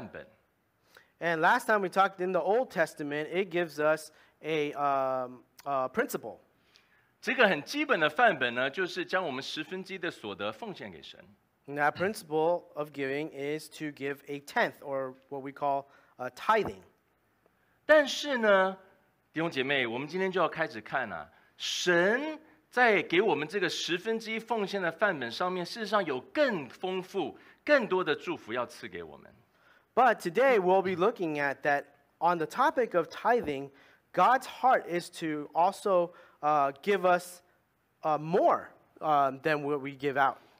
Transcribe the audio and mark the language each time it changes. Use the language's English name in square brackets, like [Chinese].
[Chinese] 然后上一周我们就从旧约开始看到新约，我们就知道原来圣经给了我们一个很基本的一个范本。 [English] And last time we talked in the Old Testament, it gives us a principle. [Chinese] 这个很基本的范本呢，就是将我们十分之一的所得奉献给神。 [English] And that principle of giving is to give a tenth, or what we call a tithing. [Chinese] 但是呢，弟兄姐妹，我们今天就要开始看了，神在给我们这个十分之一奉献的范本上面，事实上有更丰富、更多的祝福要赐给我们。 [English] But today we'll be looking at that on the topic of tithing, God's heart is to also give us more than what we give out.